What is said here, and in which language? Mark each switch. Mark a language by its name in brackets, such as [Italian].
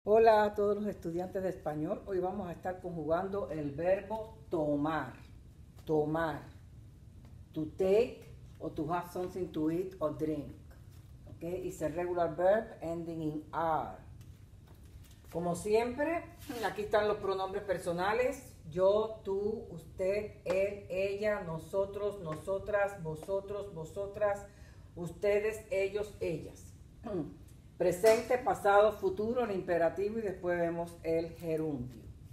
[Spanish] Hola a todos los estudiantes de español. Hoy vamos a estar conjugando el verbo tomar. Tomar. [English] To take or to have something to eat or drink. Okay? It's a regular verb ending in "-ar". [Spanish] Como siempre, aquí están los pronombres personales. Yo, tú, usted, él, ella, nosotros, nosotras, vosotros, vosotras, ustedes, ellos, ellas. Presente, pasado, futuro, el imperativo y después vemos el gerundio.